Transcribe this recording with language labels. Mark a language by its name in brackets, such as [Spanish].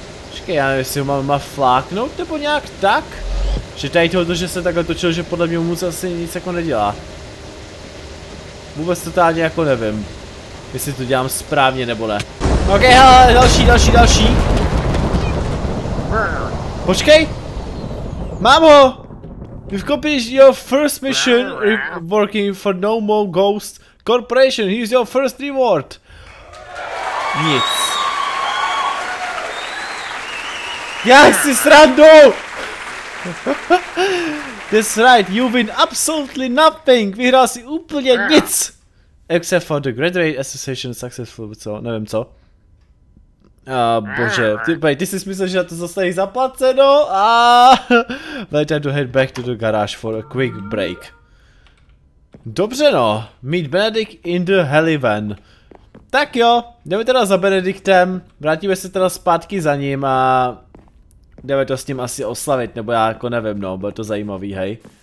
[Czech] Počkej, já nevím, jestli ho mám má fláknout nebo nějak tak. Že tady toho, že se takhle točil, že podle mě mu asi nic jako nedělá. Vůbec totálně jako nevím, jestli to dělám správně nebo ne. Ok, hele, další, další, další. Počkej. Mám ho. [English] You've completed your first mission working for No More Ghost Corporation. Here's your first reward. [Czech] Nic. Já si srandu. [English] That's right, you win absolutely nothing. [Czech] Vyhrál si úplně nic. [English] Except for the Graduate Association successful, [Czech] co, nevím co. Bože, ty jsi myslel, že na to zostaneš zaplaceno? [English] Let's time to head back to the garage for a quick break. [Czech] Dobře no, [English] meet Benedict in the Helivan. [Czech] Tak jo, jdeme teda za Benedictem, vrátíme se teda zpátky za ním a jdeme to s ním asi oslavit, nebo já jako nevím no, bude to zajímavý, hej.